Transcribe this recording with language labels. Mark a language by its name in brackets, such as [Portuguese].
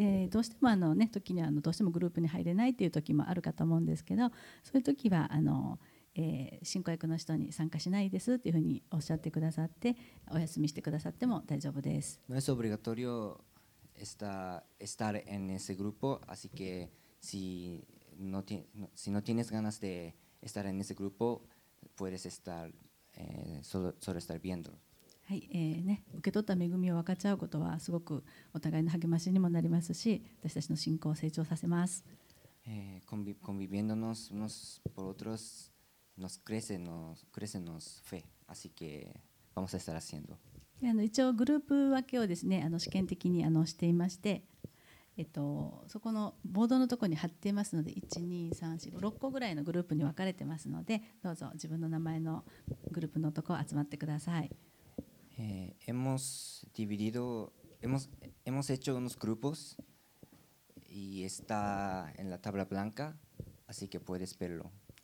[Japanese] どうしても時にはどうしてもグループに入れないという時もあるかと思うんですけど、そういう時は進行役の人に参加しないですというふうにおっしゃってくださって、お休みしてくださっても大丈夫です。 [Spanish] No es obligatorio estar en ese grupo, así que si no tienes ganas de estar en ese grupo, puedes estar. [Japanese] それを見ている、はい、ね、受け取った恵みを分かち合うことはすごくお互いの励ましにもなりますし、私たちの信仰を成長させます。 [Spanish] conviviéndonos unos por otros nos crece nos fe, así que vamos a estar haciendo. [Japanese] 一応グループ分けをですね、試験的にしていまして、そこのボードのところに貼っていますので、 1,2,3,4,5,6 個ぐらいのグループに分かれてますので、どうぞ自分の名前のグループのところ集まってください。 [Spanish] hemos dividido hemos hecho unos grupos y está en la tabla blanca, así que puedes verlo。